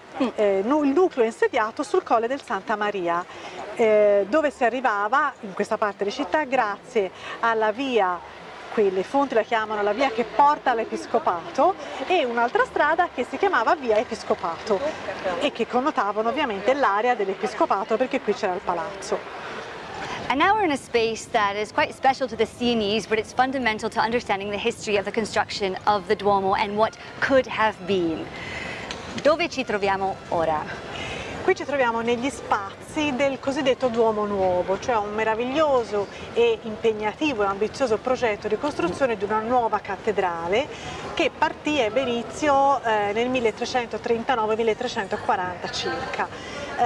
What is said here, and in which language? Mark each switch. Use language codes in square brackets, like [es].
[it] Il nucleo è insediato sul colle del Santa Maria, dove si arrivava in questa parte di città grazie alla via, qui le fonti la chiamano la via che porta all'Episcopato, e un'altra strada che si chiamava via Episcopato e che connotavano ovviamente l'area dell'Episcopato, perché qui c'era il palazzo. [en] And now we're in a space that is quite special to the Sienese, but it's fundamental to understanding the history of the construction of the Duomo and what could have been. [it] dove ci troviamo ora? Qui ci troviamo negli spazi del cosiddetto Duomo Nuovo, cioè un meraviglioso e impegnativo e ambizioso progetto di costruzione di una nuova cattedrale che partì e ebbe inizio nel 1339-1340 circa.